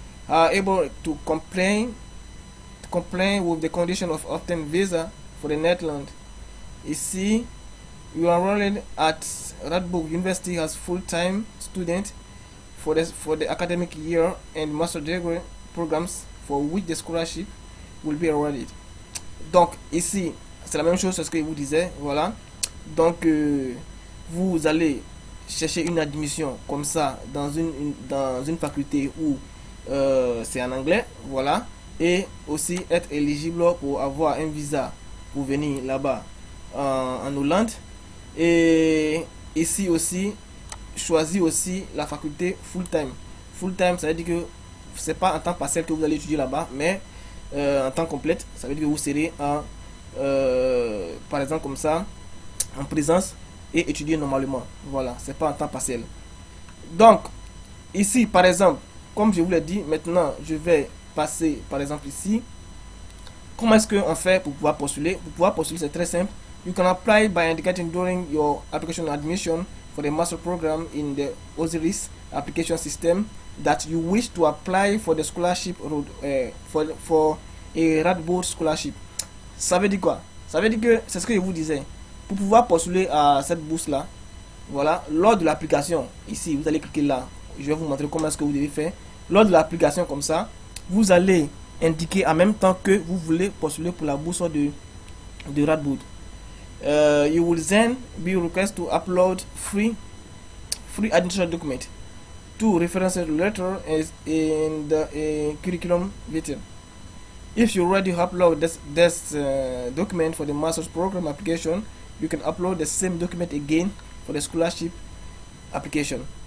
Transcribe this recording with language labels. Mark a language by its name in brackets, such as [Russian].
[English] Are able to comply with the condition of obtain visa for the Netherlands. Ici, you are enrolled at Radboud University as full-time student for the academic year and master degree programs for which the scholarship will be awarded. [French] Donc ici, c'est la même chose que ce que je vous disais, voilà. Donc vous allez chercher une admission comme ça dans une faculté où c'est en anglais, voilà, et aussi être éligible pour avoir un visa pour venir là-bas en Hollande. Et ici aussi, choisir aussi la faculté full time, ça veut dire que c'est pas en temps partiel que vous allez étudier là-bas, mais en temps complète. Ça veut dire que vous serez par exemple comme ça en présence et étudier normalement, voilà, c'est pas en temps partiel. Donc ici par exemple, comme je vous l'ai dit, maintenant je vais passer par exemple ici. Comment est-ce qu'on fait pour pouvoir postuler? Pour pouvoir postuler, c'est très simple. [English] You can apply by indicating during your application admission for the master program in the Osiris application system that you wish to apply for the scholarship for a Radboud scholarship. [French] Ça veut dire quoi? Ça veut dire que c'est ce que je vous disais. Pour pouvoir postuler à cette bourse là, voilà, lors de l'application, ici vous allez cliquer là. Je vais vous montrer comment est-ce que vous devez faire. Lors de l'application comme ça, vous allez indiquer en même temps que vous voulez postuler pour la bourse de Radboud. [English] You will then be requested to upload free admission document, two reference letter is in the curriculum vitae. If you already upload this document for the master's program application, you can upload the same document again for the scholarship application.